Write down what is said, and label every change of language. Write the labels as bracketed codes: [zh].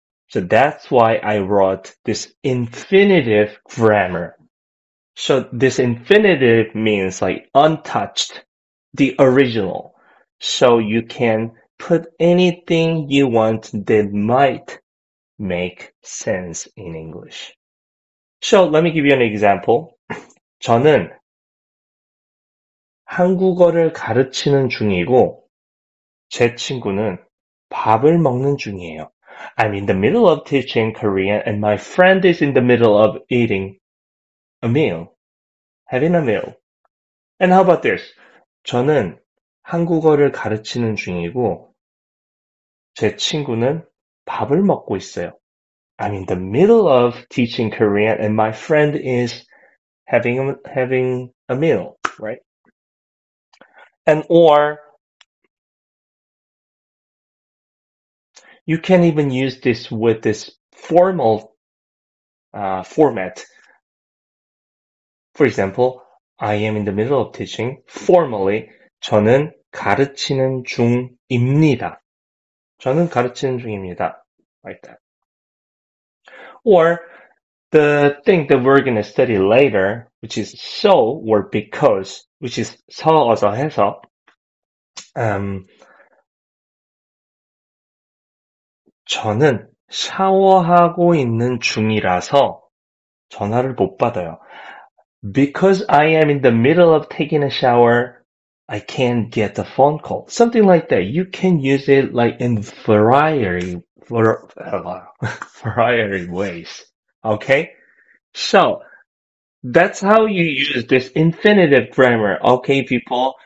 [en] So that's why I wrote this infinitive grammar. So this infinitive means like untouched, the original. So you can put anything you want that might make sense in English. So let me give you an example. [ko] 저는 한국어를 가르치는 중이고, 제 친구는 밥을 먹는 중이에요. [en] I'm in the middle of teaching Korean and my friend is in the middle of eating a meal. Having a meal. And how about this? [ko] 저는 한국어를 가르치는 중이고, 제 친구는 밥을 먹고 있어요. [en] I'm in the middle of teaching Korean and my friend is having a meal, right? And or, you can even use this with this formal format. For example, I am in the middle of teaching. Formally, [ko] 저는 가르치는 중입니다. 저는 가르치는 중입니다. [en] Like that. Or the thing that we're gonna study later, which is so or because, which is [ko] 서어서 해서. "저는 샤워하고 있는 중이라서 전화를 못 받아요." [en] Because I am in the middle of taking a shower, I can't get the phone call. Something like that. You can use it like in variety ways. Okay? So that's how you use this infinitive grammar. Okay, people?